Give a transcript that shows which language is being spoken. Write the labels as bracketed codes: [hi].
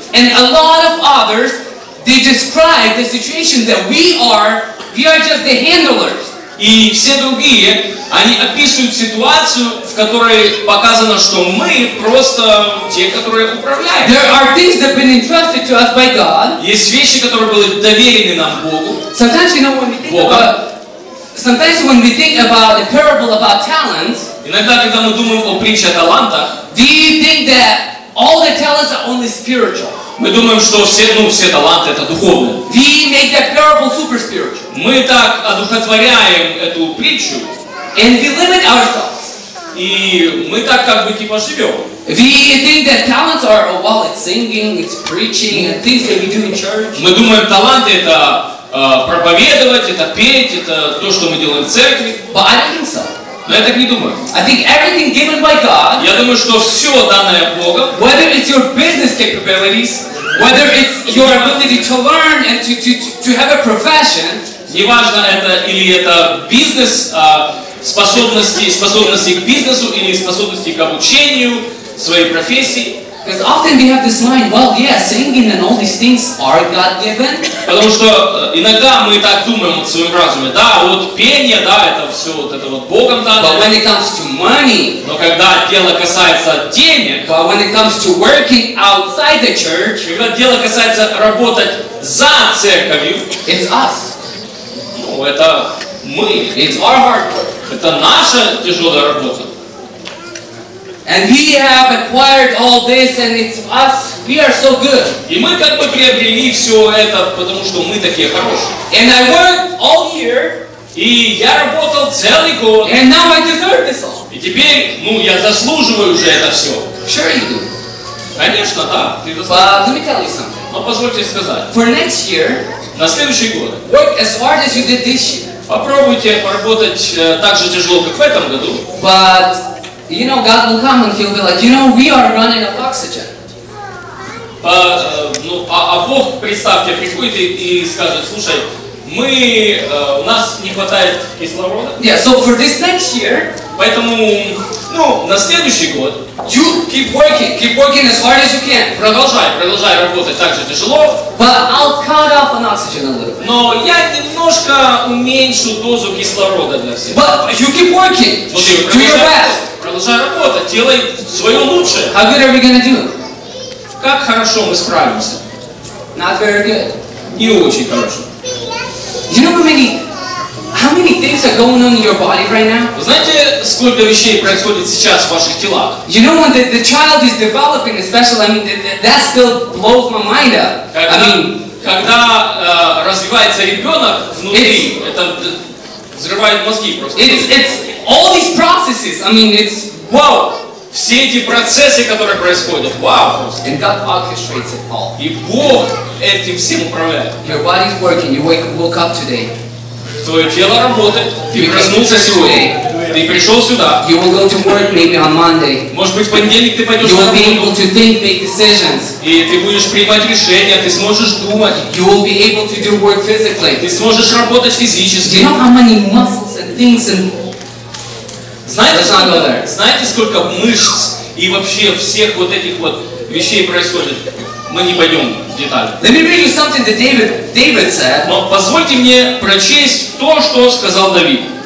[en] And a lot of others, they describe the situation that we are just the handlers. [ru] И все другие, они описывают ситуацию, в которой показано, что мы просто те, которые управляем. [en] There are things that have been entrusted to us by God. [ru] Есть вещи, которые были доверены нам Богу. [en] Sometimes, you know, when we think about, sometimes when we think about the parable about talents, [ru] иногда, когда мы думаем о притче о талантах, [en] we think that all the talents are only spiritual. [ru] Мы думаем, что все таланты — это духовные. [en] We make that parable super spiritual. [ru] Мы так одухотворяем эту притчу. [en] And we limit ourselves. [ru] И мы так как бы типа живем. [en] We think that talents are, oh, well, it's singing, it's preaching, and things that we do in church. [ru] Мы думаем, таланты — это проповедовать, это петь, это то, что мы делаем в церкви. [en] But I don't think so. [ru] Но я так не думаю. [en] I think everything given by God. [ru] Я думаю, что все данное Богом. [en] Whether it's your business capabilities, whether it's your ability to learn and to have a profession. [ru] Неважно, это или это бизнес, способности к бизнесу или способности к обучению своей профессии. [en] Because often we have this mind, well, yeah, singing and all these things are God-given. [ru] Потому что иногда мы так думаем в своем разуме, да, вот пение, да, это все вот это вот Богом дано. [en] But when it comes to money, [ru] но когда дело касается денег, [en] but when it comes to working outside the church, [ru] когда дело касается работать за церковью, [en] it's us. [ru] Ну, это мы. [en] It's our hard work. [ru] Это наша тяжелая работа. [en] And we have acquired all this, and it's us. We are so good. [ru] И мы как бы приобрели все это, потому что мы такие хорошие. [en] And I worked all year. [ru] И я работал целый год. [en] And now I deserve this all. [ru] И теперь, ну, я заслуживаю уже это все. [en] Sure you do. [ru] Конечно, да. Ты заслуживаешь. [en] But let me tell you something. [ru] Но позвольте сказать. [en] For next year. [ru] На следующий год. [en] Work as hard as you did this year. [ru] Попробуйте поработать так же тяжело, как в этом году. [en] But you know, God will come and He'll be like, you know, we are running out of oxygen. [ru] А Бог, представьте, приходит и скажет, слушай, у нас не хватает кислорода. [en] Yeah, so for this next year, [ru] поэтому, ну, на следующий год, [en] you keep working as hard as you can. [ru] Продолжай работать так же тяжело. [en] But I'll cut off on oxygen. oxygen a little bit. [ru] Но я немножко уменьшу дозу кислорода для всех. [en] But you keep working. Do your best. [ru] Продолжай работать, делай свое лучшее. [en] How good are we gonna do? [ru] Как хорошо мы справимся? [en] Not very good. [ru] Не очень хорошо. [en] You know how many things are going on in your body right now? [ru] Вы знаете, сколько вещей происходит сейчас в ваших телах? [en] You know when the child is developing, especially, I mean, that still blows my mind up. [ru] Когда, [en] I mean, [ru] когда развивается ребенок внутри, это взрывает мозги просто. [en] It's all these processes. I mean, it's wow. [ru] Все эти процессы, которые происходят, wow. [en] And God orchestrates it all. [ru] И Бог этим всем управляет. [en] Your body's working. You woke up today. [ru] Твое тело работает, ты проснулся сегодня, ты пришел сюда. [en] You will go to work maybe on Monday. [ru] Может быть, в понедельник ты пойдешь [en] you [ru] на работу. [en] You will be able to think, make decisions. [ru] И ты будешь принимать решения, ты сможешь думать. [en] You will be able to do work physically. [ru] Ты сможешь работать физически. [en] You know how many muscles and things and... [ru] Знаете, сколько мышц и вообще всех вот этих вот вещей происходит? Мы не пойдем в детали. [en] Let me read you something that David said. [ru] Но позвольте мне прочесть то, что сказал Давид.